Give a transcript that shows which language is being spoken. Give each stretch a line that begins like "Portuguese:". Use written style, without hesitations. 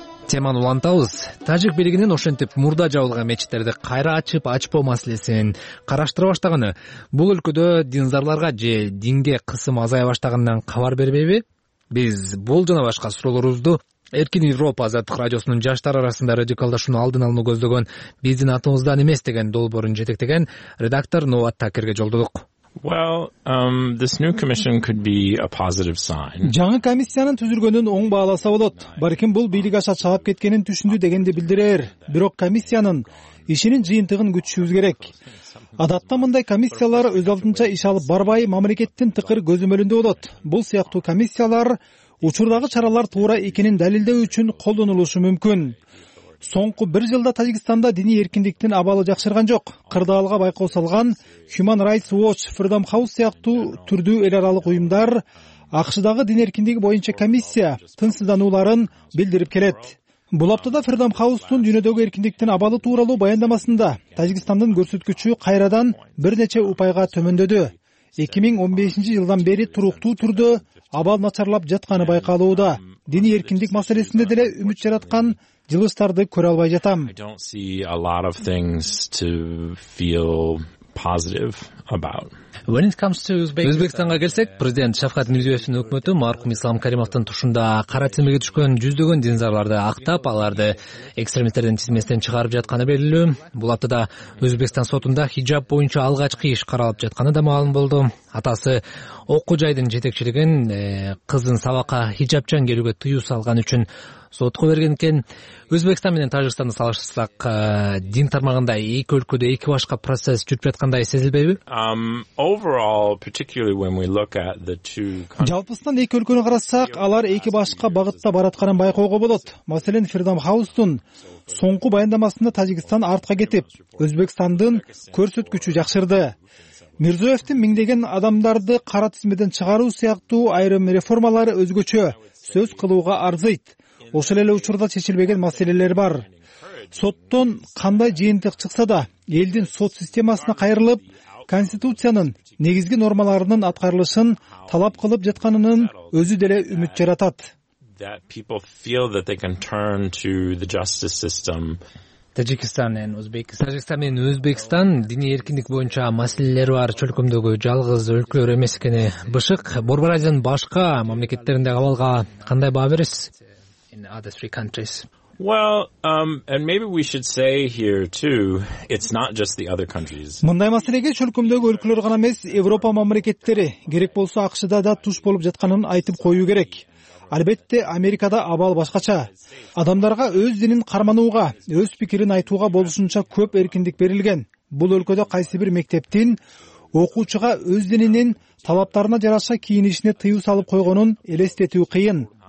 Kyrgyz: Теманы улантабыз. Тажик бийлигинин ошентип мурда жабылган мечиттерди кайра ачып ачпоо маселесин караштыра баштаганы бул өлкөдө динзарларга же динге кысым азая баштагандан кабар бербейби? Биз бул жана башка суроолорубузду Эркин Европа азаттык радиосунун жаштар арасында радикалдашууну алдын алууну көздөгөн биздин атыбыздан эмес деген долбоорун жетектеген редактор Нуат Такирге жолдодук.
English: This new commission could be a positive sign.
Kyrgyz: Жаңы комиссиянын түзүлгөнүн оң бааласа болот. Балким бул бийлик аша чаап кеткенин түшүндү дегенди билдирер. Бирок комиссиянын ишинин жыйынтыгын күтүшүбүз керек. Адатта мындай комиссиялар өз алдынча иш алып барбай, мамлекеттин тыкыр көзөмөлүндө болот. Бул сыяктуу комиссиялар учурдагы чаралар туура экенин далилдөө үчүн колдонулушу мүмкүн. Соңку бир жылда Тажикстанда диний эркиндиктин абалы жакшырган жок. Кырдаалга байкоо салган Human Rights Watch, Freedom House сыяктуу түрдүү эл аралык уюмдар АКШдагы дин эркиндиги боюнча комиссия тынчсыздануларын билдирип келет. Бул аптада Freedom House'тун дүйнөдөгү эркиндиктин абалы тууралуу баяндамасында Тажикстандын көрсөткүчү кайрадан бир нече упайга төмөндөдү. 2015 жылдан бери туруктуу түрдө абал начарлап жатканы байкалууда. Диний эркиндик маселесинде деле үмүт жараткан жылыстарды көрө албай жатам.
English: I don't see a lot of things to feel positive about. When it comes to
Kyrgyz: Uzbekistan'ga келсек, президент Шавкат Мирзиёевдин өкмөтү маркум Ислам Каримовдун тушунда кара тизмеге түшкөн жүздөгөн динзарларды актап, аларды экстремисттердин тизмесинен чыгарып жатканы белгилүү. Бул аптада Өзбекстан сотунда хиджаб боюнча алгачкы иш каралып жатканы да маалым болду. Атасы окуу жайдын жетекчилигин кызын сабакка хиджабчан келүүгө тыюу салган үчүн сотко берген экен. Өзбекстан менен Тажикстанды салыштырсак, дин тармагында эки өлкөдө эки башка процесс жүрүп жаткандай сезилбейби?
English: Overall, particularly when we look at the two countries.
Kyrgyz: Жалпысынан эки өлкөнү карасак, алар эки башка багытта баратканын байкоого болот. Маселен, Freedom House'тун соңку баяндамасында Тажикстан артка кетип, Өзбекстандын көрсөткүчү жакшырды. Мирзиёевдин миңдеген адамдарды кара тизмеден чыгаруу сыяктуу айрым реформалары өзгөчө сөз кылууга арзыйт. Ошол эле учурда чечилбеген маселелер бар. Соттон кандай жыйынтык чыкса да, элдин сот системасына кайрылып, конституциянын негизги нормаларынын аткарылышын талап кылып жатканынын өзү деле үмүт жаратат.
English: That people feel that they can turn to the justice system.
Kyrgyz: Тажикстан менен Өзбекстан диний эркиндик боюнча маселелери бар чөлкөмдөгү жалгыз өлкөлөр эмес экени бышык. Борбор Азиянын башка мамлекеттеринде абалга кандай баа бересиз?
English: In other three countries. Well, and maybe we should say here too, it's not just the other countries.
Kyrgyz: Мындай маселеге чөлкөмдөгү өлкөлөр гана эмес, Европа мамлекеттери, керек болсо АКШ-да да туш болуп жатканын айтып коюу керек. Албетте, Америкада абал башкача. Адамдарга өз динин кармануууга, өз пикирин айтууга болушунча көп эркиндик берилген. Бул өлкөдө кайсы бир мектептин окуучуга өз дининин талаптарына жараша кийинишине тыюу салып койгонун элестетүү кыйын.